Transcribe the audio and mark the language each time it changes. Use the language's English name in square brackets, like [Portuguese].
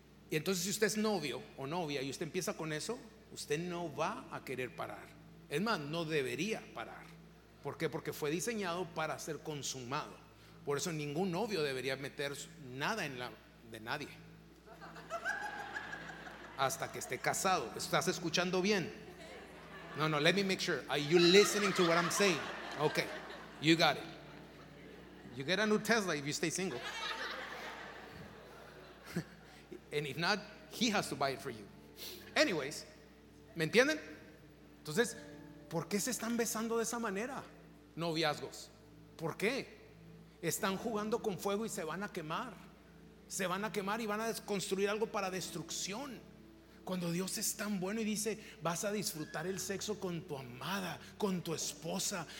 [Spanish] Y entonces, si usted es novio o novia y usted empieza con eso, usted no va a querer parar. Es más, no debería parar. ¿Por qué? Porque fue diseñado para ser consumado. Por eso ningún novio debería meter nada en la de nadie hasta que esté casado. ¿Estás escuchando bien? No, [English] let me make sure. Are you listening to what I'm saying? Okay, you got it. You get a new Tesla if you stay single. And if not, he has to buy it for you. [Spanish] Anyways, ¿me entienden? Entonces, ¿por qué se están besando de esa manera? noviazgos. ¿Por qué? Están jugando con fuego y se van a quemar. Se van a quemar y van a construir algo para destrucción. Cuando Dios es tan bueno y dice, vas a disfrutar el sexo con tu amada, con tu esposa.